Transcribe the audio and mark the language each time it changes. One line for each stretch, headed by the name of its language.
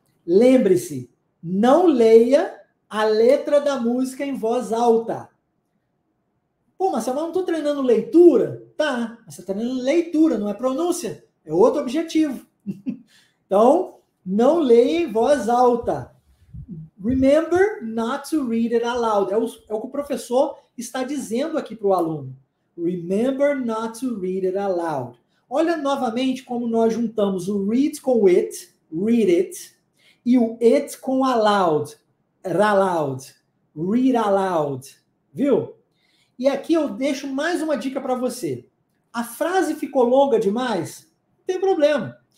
Portuguese: Lembre-se, não leia a letra da música em voz alta. Pô, mas eu não estou treinando leitura? Tá, mas você está treinando leitura, não é pronúncia. É outro objetivo. Então, não leia em voz alta.
English: Remember not to read it aloud.
Portuguese: É o que o professor está dizendo aqui para o aluno.
English: Remember not to read it aloud.
Portuguese: Olha novamente como nós juntamos o read com it, read it, e o it com aloud.
English: Aloud, read aloud, viu?
Portuguese: E aqui eu deixo mais uma dica para você. A frase ficou longa demais? Não tem problema.